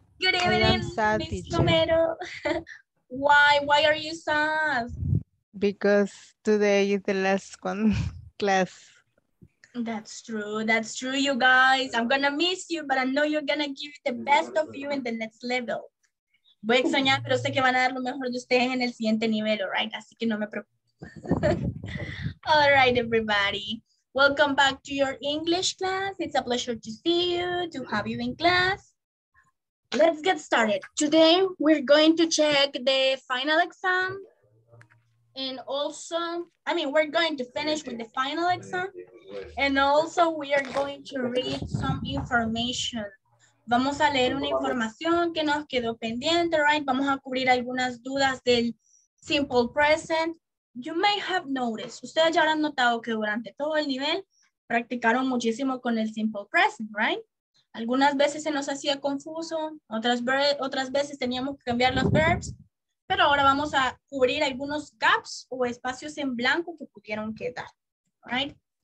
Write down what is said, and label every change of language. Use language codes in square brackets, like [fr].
[en] Good evening, Miss Romero. Why are you sad? Because today is the last one class. That's true. That's true, you guys. I'm going to miss you, but I know you're going to give the best of you in the next level. [es] Voy a extrañar, pero sé que van a dar lo mejor de ustedes en el siguiente nivel, right? Así que no me preocupes. All right, everybody. [en] Welcome back to your English class. It's a pleasure to see you, to have you in class. Let's get started. Today, we're going to check the final exam. And also, I mean, we're going to finish with the final exam. And also, we are going to read some information. [es] Vamos a leer una información que nos quedó pendiente, right? Vamos a cubrir algunas dudas del simple present. You may have noticed, ustedes ya habrán notado que durante todo el nivel practicaron muchísimo con el simple present, right? Algunas veces se nos hacía confuso, otras veces teníamos que cambiar los verbs, pero ahora vamos a cubrir algunos gaps o espacios en blanco que pudieron quedar, right?